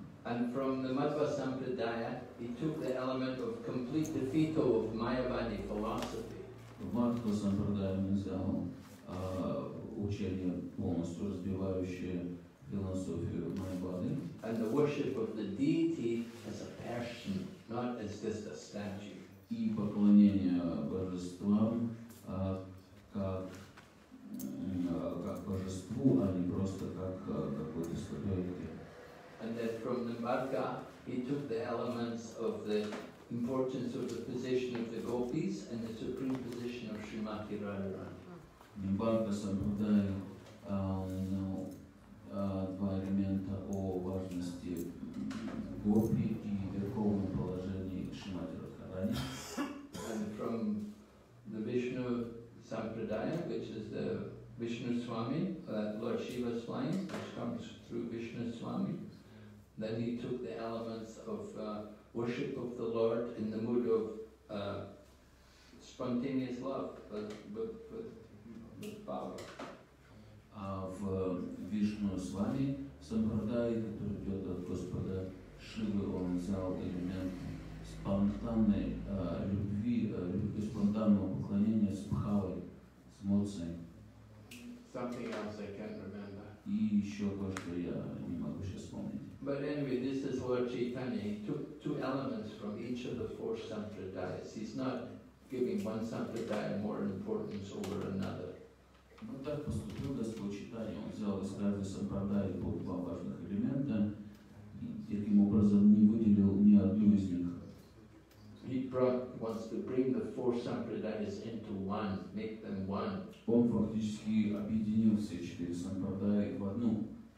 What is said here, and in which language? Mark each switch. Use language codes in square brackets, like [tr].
[en] And from the Madhva Sampradaya, he took the element of complete defeat of Mayavadi philosophy. [ru] В Madhva Sampradaya он взял учение, полностью разбивающее философию Майявады. [en] And the worship of the deity as a person, not as just a statue. [ru] И поклонение божествам как божеству, а не просто как какой-то статуэтке. [en] And then from the Madhva, he took the elements of the importance of the position of the gopis and the supreme position of Shrimati Radharani. [ru] Madhva Sampradaya два элемента о важности гопи и верховном положении Шримати Радхарани. [en] And from the Vishnu Sampradaya, which is the Vishnu Swami, Lord Shiva's line, which comes through Vishnu Swami, then he took the elements of worship of the Lord in the mood of spontaneous love, with power. [ru] А в Вишну Свами Сампрадае, который идет от Господа Шивы, он взял элемент спонтанной любви, спонтанного поклонения с бхавой, с эмоцией. [en] Something else I can't remember. [ru] И еще кое-что я не могу сейчас вспомнить. [en] But anyway, this is Lord Chaitanya. He took two elements from each of the four sampradayas. He's not giving one sampradaya more importance over another. [ru] Ну так поступил Господь Чайтанья. Он взял из каждой сампрадаи по два важных элемента и таким образом не выделил ни одну из них. [en] He brought, wants to bring the four sampradayas into one, make them one. [ru] Он фактически объединил все четыре сампрадаи в одну.